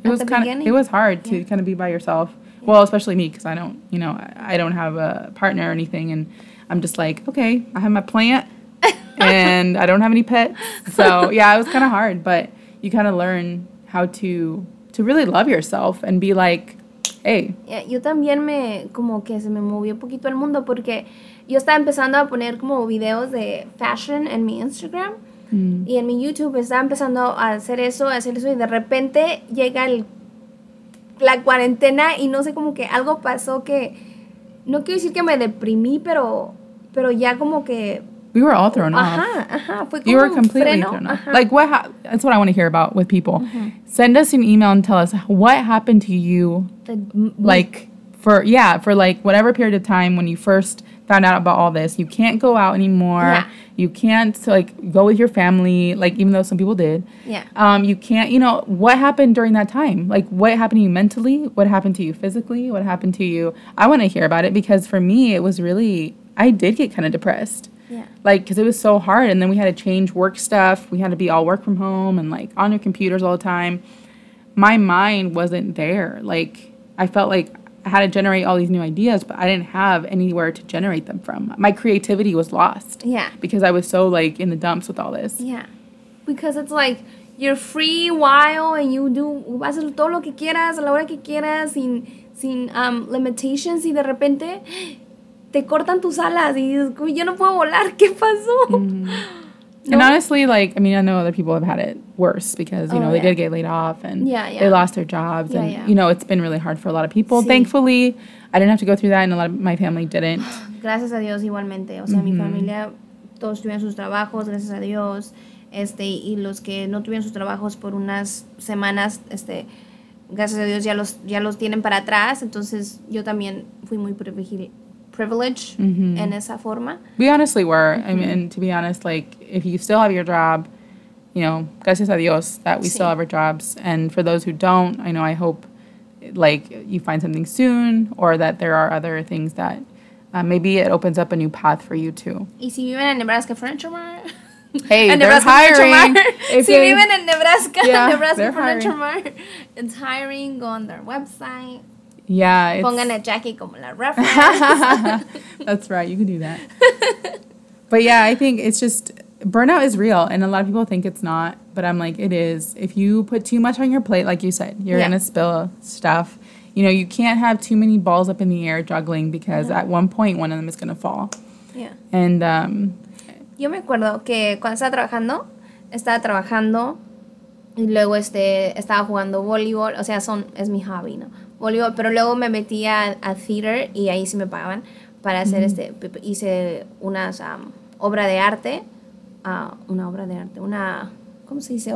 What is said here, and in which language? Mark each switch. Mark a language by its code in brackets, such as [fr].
[en] it was kind of. It was hard to yeah. kind of be by yourself. Yeah. Well, especially me because I don't, you know, I don't have a partner or anything. And I'm just like, okay, I have my plant and I don't have any pets. So, yeah, it was kind of hard, but you kind of learn how to really love yourself and be like, hey. [es] Yeah, yo también me, como que se me movió un poquito el mundo porque yo estaba empezando a poner como videos de fashion en mi Instagram. Mm. Y en mi YouTube estaba empezando a hacer eso y de repente llega la cuarentena y no sé, como que algo pasó que, no quiero decir que me deprimí, pero ya como que... [en] We were all thrown off. You were completely thrown off. Like, that's what I want to hear about with people. Uh-huh. Send us an email and tell us what happened to you, for whatever period of time when you first found out about all this. You can't go out anymore. Yeah. You can't, like, go with your family, like, even though some people did. Yeah. You can't, you know, what happened during that time? Like, what happened to you mentally? What happened to you physically? What happened to you? I want to hear about it because for me, it was really, I did get kind of depressed. Yeah. Like, because it was so hard, and then we had to change work stuff. We had to be all work from home and, like, on your computers all the time. My mind wasn't there. Like, I felt like I had to generate all these new ideas, but I didn't have anywhere to generate them from. My creativity was lost. Yeah. Because I was so, like, in the dumps with all this. Yeah. Because it's like, you're free while, and you do, [es] vas a hacer todo lo que quieras, a la hora que quieras, sin limitations, y de repente... Te cortan tus alas y yo no puedo volar. ¿Qué pasó? [en] And honestly, like, I mean, I know other people have had it worse because, you know, they did get laid off and they lost their jobs. Yeah, and, you know, it's been really hard for a lot of people. Sí. Thankfully, I didn't have to go through that and a lot of my family didn't. [es] Gracias a Dios igualmente. O sea, mi familia, todos tuvieron sus trabajos, gracias a Dios. Y los que no tuvieron sus trabajos por unas semanas, gracias a Dios ya los tienen para atrás. Entonces, yo también fui muy privileged in esa forma. [en] We honestly were. Mm-hmm. I mean, to be honest, like, if you still have your job, you know, [es] gracias a Dios [en] that we still have our jobs. And for those who don't, I know I hope, like, you find something soon or that there are other things that maybe it opens up a new path for you, too. [es] Y si viven en Nebraska Furniture Mart. [en] Hey, and they're Nebraska hiring. If [es] si viven en [en] Nebraska, Nebraska Furniture Mart, it's hiring. Go on their website. Yeah, [es] it's... Pongan a Jackie como la reference. [en] That's right. You can do that. But yeah, I think it's just... Burnout is real. And a lot of people think it's not. But I'm like, it is. If you put too much on your plate, like you said, you're going to spill stuff. You know, you can't have too many balls up in the air juggling because at one point, one of them is going to fall. Yeah. And... [es] Yo me acuerdo que cuando estaba trabajando y luego estaba jugando voleibol. O sea, es mi hobby, ¿no? Pero luego me metí a theater y ahí sí me pagaban para hacer hice unas obra de arte, una obra de arte, una, ¿cómo se dice?